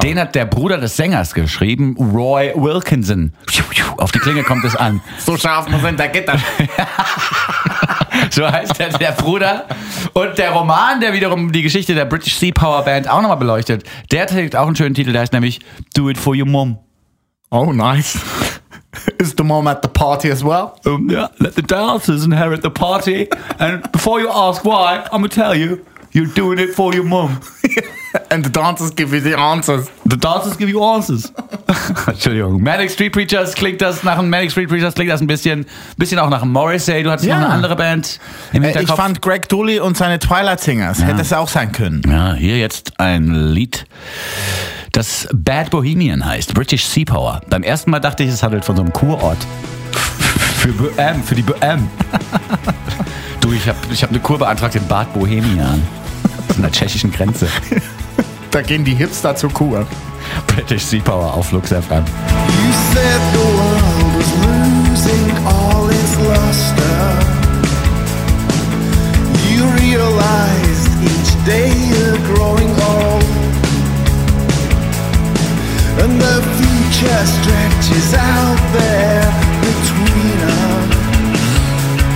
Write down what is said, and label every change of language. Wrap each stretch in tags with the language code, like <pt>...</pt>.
<de>Den hat der Bruder des Sängers geschrieben, Roy Wilkinson. Auf die Klinge kommt es an. So scharf muss hinter Gitter. So heißt der Bruder. Und der Roman, der wiederum die Geschichte der British Sea Power Band auch nochmal beleuchtet, der trägt auch einen schönen Titel. Der heißt nämlich Do It For Your Mum.</de> <en>Oh, nice. Is the mom at the party as well? Yeah, let the dancers inherit the party. And before you ask why, I'm going to tell you, you're doing it for your mom. And the dancers give you the answers. The dancers give you answers.</en> <de>Entschuldigung. Manic Street Preachers klingt das nach einem Manic Street Preachers, klingt das ein bisschen auch nach Morrissey. Du hattest noch eine andere Band im Hinterkopf. Ich fand Greg Dooley und seine Twilight Singers. Ja. Hätte es auch sein können. Ja, hier jetzt ein Lied, das Bad Bohemian heißt, British Sea Power. Beim ersten Mal dachte ich, es handelt von so einem Kurort. Für die BM. Du, ich hab eine Kur beantragt in Bad Bohemian. An der tschechischen Grenze. Da gehen die Hipster zur Kur. British Sea Power auf Flux FM.</de> <en>You said the world was losing all its luster. You realized each day you're growing old. And the future stretches out there between us.</en>